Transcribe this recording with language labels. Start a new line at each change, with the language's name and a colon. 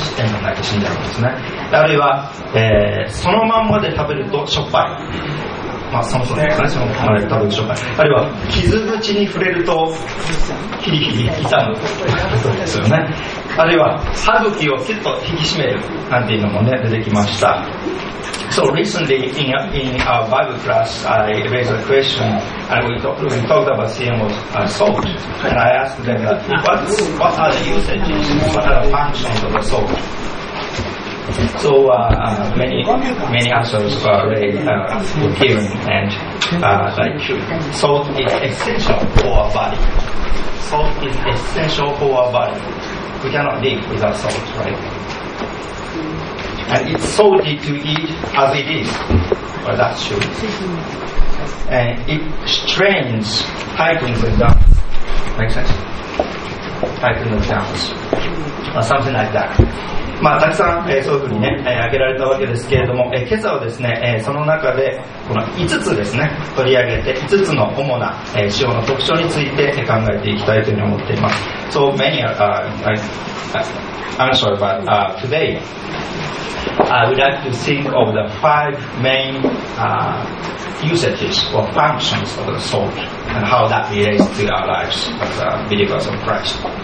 Japanese: 塩がないと死んじゃうんですね。あるいは、そのまんまで食べるとしょっぱい、まあ、そもそもですね、そのまんまで食べるとしょっぱい。あるいは傷口に触れるとヒリヒリ痛むということですよね。あるいは歯茎をキュッと引き締めるなんていうのもね、出てきました。
English: So recently in our Bible class, I raised a question, and we talked about seeing what salt, and I asked them that, what are the usages, what are the functions of the salt? So many answers were given, and salt is essential for our body. Salt is essential for our body. We cannot live without salt, right? And it's salty to eat as it is. Well, that's true. And it strains, tightens the gums. Make sense? Tightens the gums. Something like that.
Japanese: まあ、たくさん、そういうふうにね、挙げられたわけですけれども、今朝はですね、その中でこの5つですね、取り上げて5つの主な、塩の特徴について考えていきたいというふうに思っています。
English: So many answers, but today I would like to think of the five main usages or functions of the salt and how that relates to our lives as believers of Christ.